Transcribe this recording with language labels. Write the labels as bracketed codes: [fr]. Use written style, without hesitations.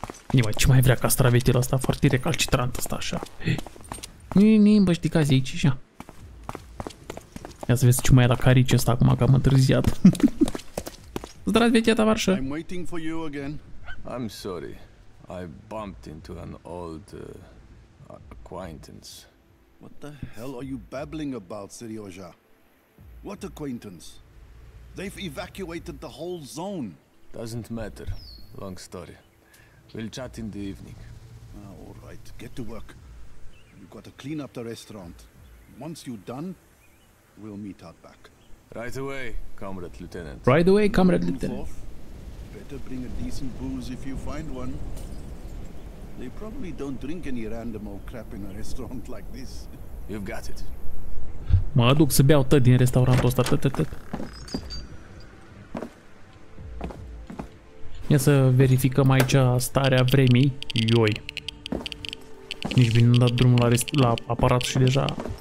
[ro] Nimai, ce mai vrea castravetul ăsta? Foarte recalcitrant ăsta, așa. Nimai, bă, știi că azi e aici, așa. Ia să vezi ce mai e la carici ăsta acum, că am întârziat. Zdrați, vechea ta, varșă. [en] I'm waiting for you again. I'm sorry. I bumped into an old acquaintance. What the hell are you babbling about, Serioja? What acquaintance? They've evacuated the whole zone. Doesn't matter. Long story. We'll chat in the evening. Ah, all right. Get to work. You've got to clean up the restaurant. Once you're done, we'll meet out back. Right away, Comrade Lieutenant. Right away, Comrade Lieutenant. Better bring a decent booze if you find one. They probably don't drink any random old crap in a restaurant like this. You've got it. [ro] Mă aduc să beau tot din restaurantul ăsta, tot. Ia să verificăm aici starea vremii. Ioi. Nici bine nu-mi dat drumul la aparat și deja...